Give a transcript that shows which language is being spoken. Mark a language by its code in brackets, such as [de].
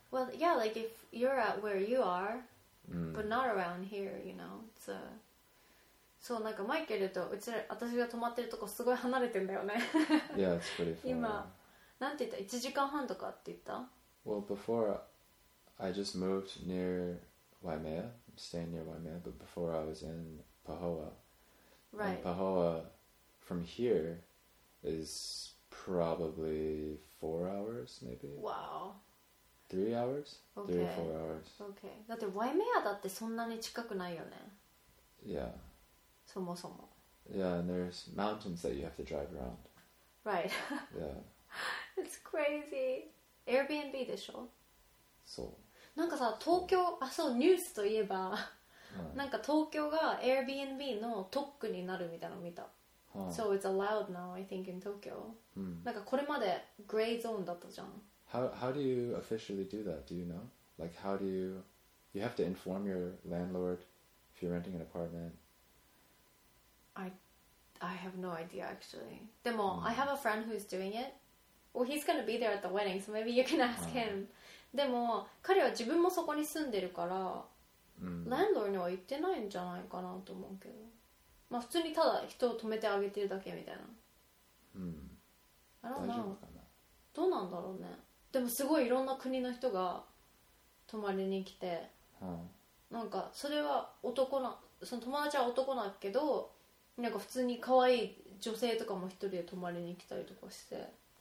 [en] Well, yeah, like if you're at where you are,、 mm. but not around here, you know. So, so [ja] なんかマイケルとうちら私が泊まってるとこすごい離れてんだよね。 [en] Yeah, it's pretty far. [ja] 今、なんて言った ?1 時間半とかって言った? [en] Well, before, I just moved near Waimea. I'm staying near Waimea, but before I was in Pahoa. Right. And Pahoa, from here, is probably 4 hours, maybe? Wow. 3 hours? Okay. 3 or 4 hours. Okay. [ja] だって Waimea だってそんなに近くないよね。 [en] Yeah. [ja] そもそも。 [en] Yeah, and there's mountains that you have to drive around. Right. Yeah. It's crazy. Airbnb [ja] でしょ。そう。なんかさ、東京、あ、そう、ニュースといえば、うん、なんか東京が Airbnb の特区になるみたいなの見た。は [en] あ、so it's allowed now, I think, in Tokyo.、 [ja] うん、なんかこれまでグレーゾーンだったじゃん。 [en] How do you officially do that? Do you know? Like, how do you... You have to inform your landlord if you're renting an apartment. I have no idea, actually. [ja] でも、うん、 [en] I have a friend who's doing it. Well, he's gonna be there at the wedding, so maybe you can ask him. [ja] でも、彼は自分もそこに住んでるから、landlord には行ってないんじゃないかなと思うけど。まあ、普通にただ人を止めてあげてるだけみたいな。大丈夫かな。どうなんだろうね。でも、すごいいろんな国の人が泊まりに来て、なんか、それは男な、その友達は男なけど、なんか普通に可愛い女性とかも一人で泊まりに来たりとかして、